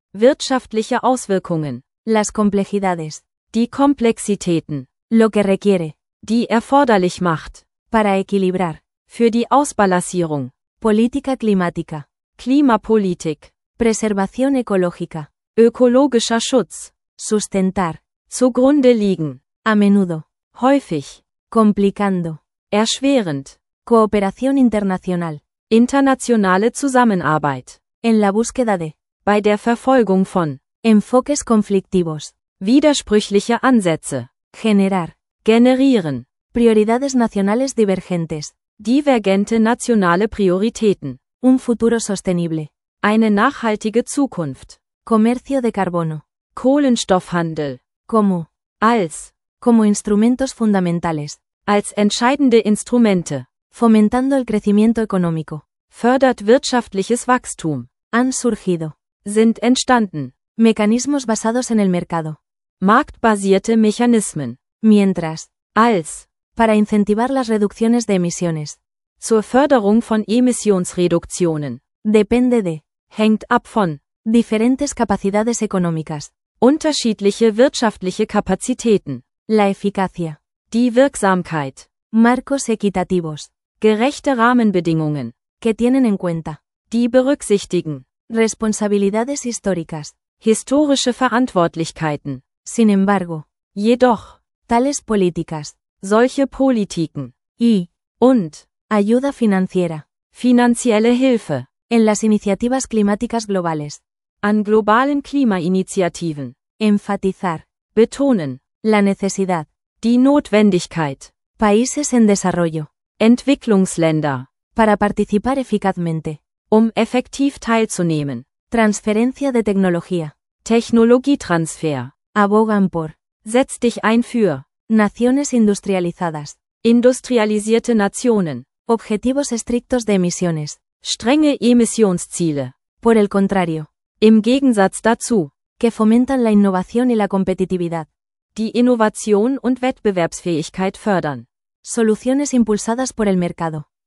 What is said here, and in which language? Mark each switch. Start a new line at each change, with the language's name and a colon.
German: wirtschaftliche Auswirkungen,
Spanish: las complejidades,
German: die Komplexitäten,
Spanish: lo que requiere,
German: die erforderlich macht,
Spanish: para equilibrar,
German: für die Ausbalancierung,
Spanish: política climática,
German: Klimapolitik,
Spanish: preservación ecológica,
German: ökologischer Schutz,
Spanish: sustentar,
German: zugrunde liegen,
Spanish: a menudo,
German: häufig,
Spanish: complicando,
German: erschwerend,
Spanish: cooperación internacional,
German: internationale Zusammenarbeit,
Spanish: en la búsqueda de,
German: bei der Verfolgung von,
Spanish: enfoques conflictivos,
German: widersprüchliche Ansätze,
Spanish: generar,
German: generieren,
Spanish: prioridades nacionales divergentes,
German: divergente nationale Prioritäten,
Spanish: un futuro sostenible,
German: eine nachhaltige Zukunft,
Spanish: comercio de carbono,
German: Kohlenstoffhandel,
Spanish: como,
German: als,
Spanish: como instrumentos fundamentales,
German: als entscheidende Instrumente,
Spanish: fomentando el crecimiento económico,
German: fördert wirtschaftliches Wachstum,
Spanish: han surgido,
German: sind entstanden,
Spanish: mecanismos basados en el mercado,
German: marktbasierte Mechanismen,
Spanish: mientras,
German: als,
Spanish: para incentivar las reducciones de emisiones,
German: zur Förderung von Emissionsreduktionen,
Spanish: depende de,
German: hängt ab von,
Spanish: diferentes capacidades económicas,
German: unterschiedliche wirtschaftliche Kapazitäten,
Spanish: la eficacia,
German: die Wirksamkeit,
Spanish: marcos equitativos,
German: gerechte Rahmenbedingungen,
Spanish: que tienen en cuenta,
German: die berücksichtigen,
Spanish: responsabilidades históricas,
German: historische Verantwortlichkeiten,
Spanish: sin embargo,
German: jedoch,
Spanish: tales políticas,
German: solche Politiken,
Spanish: y,
German: und,
Spanish: ayuda financiera,
German: finanzielle Hilfe,
Spanish: en las iniciativas climáticas globales,
German: an globalen Klimainitiativen,
Spanish: enfatizar,
German: betonen,
Spanish: la necesidad,
German: die Notwendigkeit,
Spanish: países en desarrollo,
German: Entwicklungsländer,
Spanish: para participar eficazmente,
German: um effektiv teilzunehmen,
Spanish: transferencia de tecnología,
German: Technologietransfer,
Spanish: abogan por,
German: setz dich ein für,
Spanish: naciones industrializadas,
German: industrialisierte Nationen,
Spanish: objetivos estrictos de emisiones,
German: strenge Emissionsziele,
Spanish: por el contrario,
German: im Gegensatz dazu,
Spanish: que fomentan la innovación y la competitividad,
German: die Innovation und Wettbewerbsfähigkeit fördern,
Spanish: soluciones impulsadas por el mercado,